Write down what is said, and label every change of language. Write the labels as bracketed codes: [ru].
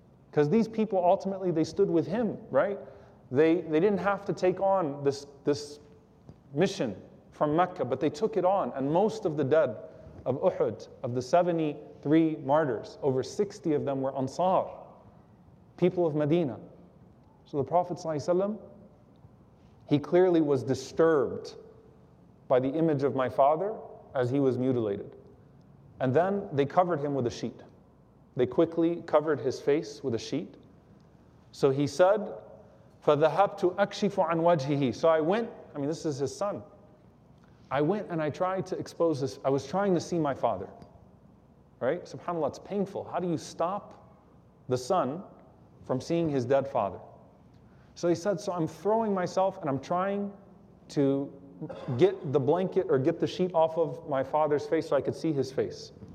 [en] Because these people ultimately, they stood with him, right? They didn't have to take on this mission from Mecca, but they took it on, and most of the dead of Uhud, of the 73 martyrs, over 60 of them were Ansar, people of Medina. So the Prophet ﷺ, he clearly was disturbed by the image of my father as he was mutilated. And then they covered him with a sheet. They quickly covered his face with a sheet. So he said, [ar] فَذَهَبْتُ أَكْشِفُ عَنْ وَجْهِهِ. [en] So I went, I mean, this is his son. I went and I tried to expose this. I was trying to see my father, right? SubhanAllah, it's painful. How do you stop the son from seeing his dead father? So he said, so I'm throwing myself and I'm trying to get the blanket or get the sheet off of my father's face so I could see his face.